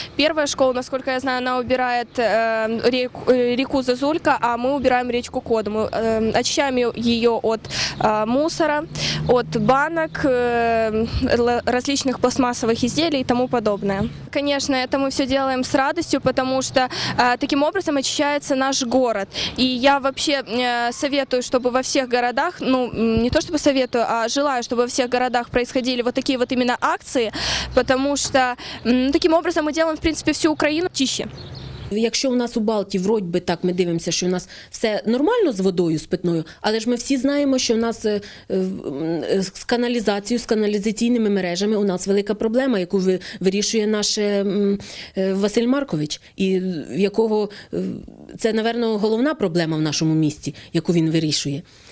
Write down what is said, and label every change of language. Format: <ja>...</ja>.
<uk>Перша школа, наскільки я знаю, вона обирає річку Зазулька, а ми обираємо річку Кодими. Очищаємо її від мусора, від банок, різних пластмасових ізделій і тому подобне. Звісно, це ми все робимо з радістю, тому що таким образом очищається наш міст. І я взагалі советую, щоб во всіх містах,</uk> <ru>ну, не то чтобы советую, а желаю, чтобы во всех городах происходили вот такие вот именно акции, потому что таким образом мы делаем, в принципе, всю Украину чище.</ru> <uk>Якщо у нас у Балті, вроді би так, ми дивимося, що у нас все нормально з водою, з питною, але ж ми всі знаємо, що у нас з каналізацією, з каналізаційними мережами у нас велика проблема, яку вирішує наш Василь Маркович, і якого це, наверное, головна проблема в нашому місті, яку він вирішує.</uk>